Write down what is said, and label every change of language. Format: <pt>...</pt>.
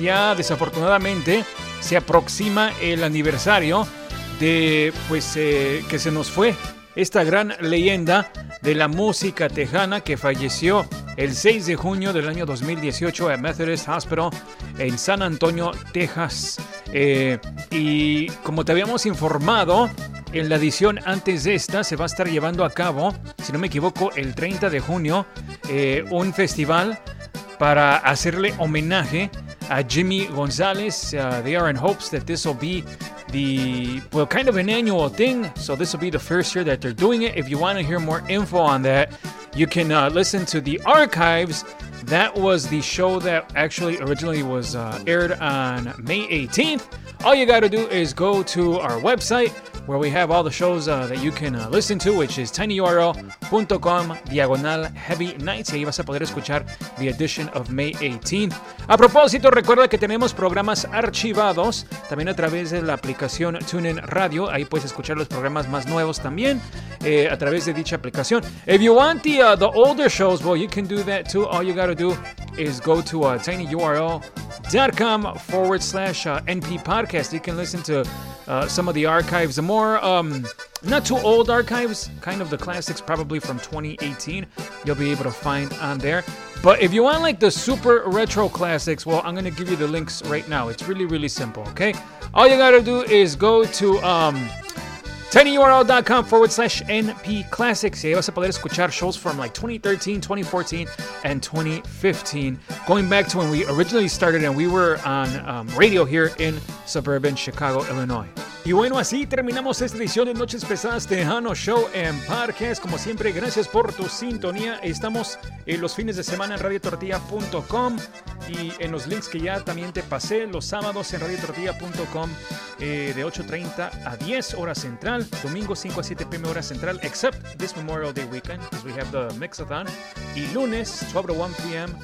<es>Ya desafortunadamente se aproxima el aniversario de que se nos fue esta gran leyenda de la música tejana, que falleció el 6 de junio del año 2018 en Methodist Hospital en San Antonio, Texas. Y como te habíamos informado, en la edición antes de esta se va a estar llevando a cabo, si no me equivoco, el 30 de junio, un festival para hacerle homenaje a Jimmy González.</es> <en>They are in hopes that this will be an annual thing. So this will be the first year that they're doing it. If you want to hear more info on that, you can listen to the archives. That was the show that actually originally was aired on May 18th. All you got to do is go to our website, where we have all the shows that you can listen to, which is tinyurl.com/heavynights.</en> <es>Y ahí vas a poder escuchar</es> <en>the edition of May 18.</en> <es>A propósito, recuerda que tenemos programas archivados también a través de la aplicación TuneIn Radio. Ahí puedes escuchar los programas más nuevos también a través de dicha aplicación.</es> <en>If you want the older shows, well, you can do that too. All you gotta do is go to tinyurl.com/NP podcast. You can listen to some of the archives, the more not too old archives, kind of the classics probably from 2018, you'll be able to find on there. But if you want like the super retro classics, well, I'm gonna give you the links right now. It's really, really simple, okay? All you gotta do is go to tinyurl.com/NP classics.</en> <es>Y ahí vas a poder escuchar</es> <en>shows from like 2013, 2014, and 2015. Going back to when we originally started and we were on radio here in suburban Chicago, Illinois.</en> <es>Y bueno, así terminamos esta edición de Noches Pesadas de Jano Show and Podcast. Como siempre, gracias por tu sintonía. Estamos en los fines de semana en radiotortilla.com y en los links que ya también te pasé, los sábados en radiotortilla.com de 8:30 a 10 hora central, domingo 5 a 7 p.m. hora central,</es> <en>except this Memorial Day weekend because we have the Mixathon,</en> <es>y lunes</es> <en>12 to 1 p.m.</en>